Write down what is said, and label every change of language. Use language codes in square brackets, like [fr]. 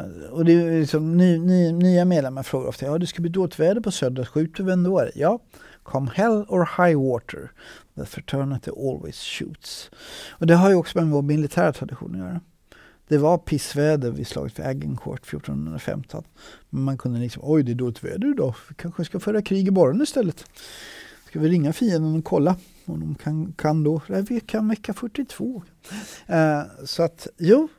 [sv] Och det är liksom nya medlemmar frågar ofta, ja det ska bli dåligt väder på söder, skjuter vi ändå? [en] Ja, come hell or high water, the fraternity always shoots. [sv] Och det har ju också med vår militära tradition att göra. Det var pissväder vid slaget för Agincourt 1415. Men man kunde liksom, oj det är dåligt väder idag. Vi kanske ska föra krig i morgon istället. Ska vi ringa fienden och kolla om de kan då. Vi kan vecka 42. Så att, jo.